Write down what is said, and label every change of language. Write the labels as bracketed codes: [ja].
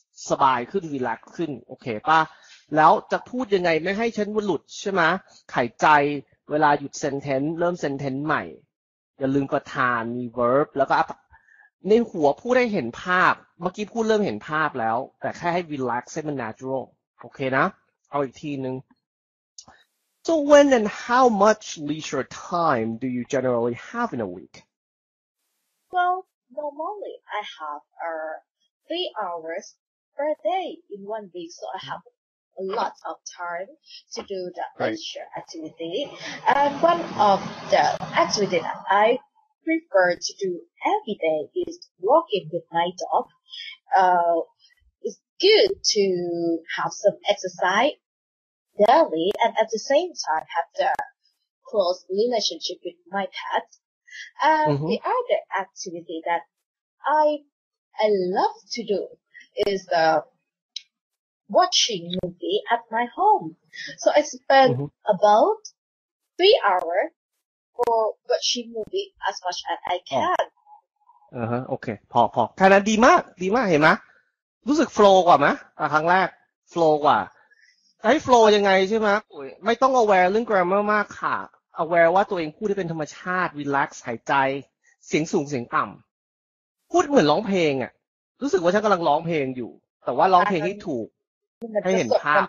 [th] สบายขึ้นรีแลกซ์ขึ้นโอเคป่ะแล้วจะพูดยังไงไม่ให้ฉันหลุดใช่ไหมไขใจเวลาหยุดเซนเทนส์เริ่มเซนเทนส์ใหม่อย่าลืมประธานมีเวิร์บแล้วก็ในหัวพูดให้เห็นภาพเมื่อกี้พูดเริ่มเห็นภาพแล้วแต่แค่ให้รีแลกซ์ให้มันนาจูรัลโอเคนะเอาอีกทีนึง [en] So when and how much leisure time do you generally have in a week? Well, normally I have 3 hours. Per day in 1 week, so I have a lot of time to do the leisure activity. And one of the activities that I prefer to do every day is walking with my dog. It's good to have some exercise daily and at the same time have the close relationship with my pet. And the other activity that I love to doIs watching movie at my home, so I spend about 3 hours for watching movie as much as I can. [th] โอเคพอแค่นั้นดีมากดีมากเห็นไหมรู้สึกโฟลว์กว่ามั้ยครั้งแรกโฟลว์กว่าให้โฟลว์ยังไงใช่มั้ยไม่ต้องaware เรื่อง grammar มากค่ะaware ว่าตัวเองพูดได้เป็นธรรมชาติ relax หายใจเสียงสูงเสียงต่ำพูดเหมือนร้องเพลงอ่ะรู้สึกว่าฉันกำลังร้องเพลงอยู่แต่ว่าร้องเพลงให้ถูกให้เห็นภาพ